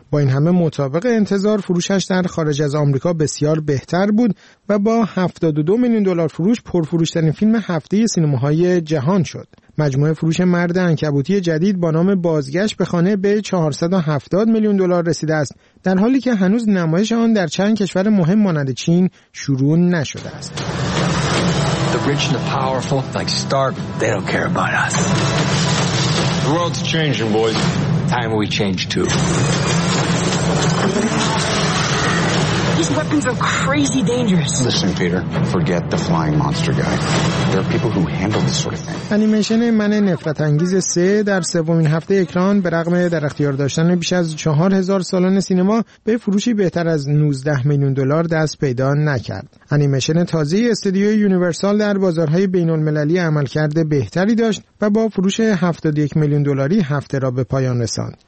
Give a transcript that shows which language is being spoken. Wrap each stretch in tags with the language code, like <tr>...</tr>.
<fa>با این همه مطابق انتظار فروشش در خارج از آمریکا بسیار بهتر بود و با 72 میلیون دلار فروش پرفروش‌ترین فیلم هفته سینماهای جهان شد. مجموعه فروش مرد عنکبوتی جدید با نام بازگشت به خانه به 470 میلیون دلار رسیده است، در حالی که هنوز نمایش آن در چند کشور مهم مانند چین شروع نشده است.</fa> <en>The rich and the powerful like Stark, they don't care about us. The world's changing, boys. Time we change too. These weapons are crazy dangerous. Listen, Peter, forget the flying monster guy. There are people who handle this sort of thing.</en> <fa>انیمیشن من نفرت انگیز 3 در سومین هفته اکران به رغم در اختیار داشتن بیش از 4000 سالن سینما به فروشی بهتر از 19 میلیون دلار دست پیدا نکرد. انیمیشن تازه استودیوی یونیورسال در بازارهای بین المللی عملکرد بهتری داشت و با فروش 71 میلیون دلاری هفته را به پایان رساند.</fa>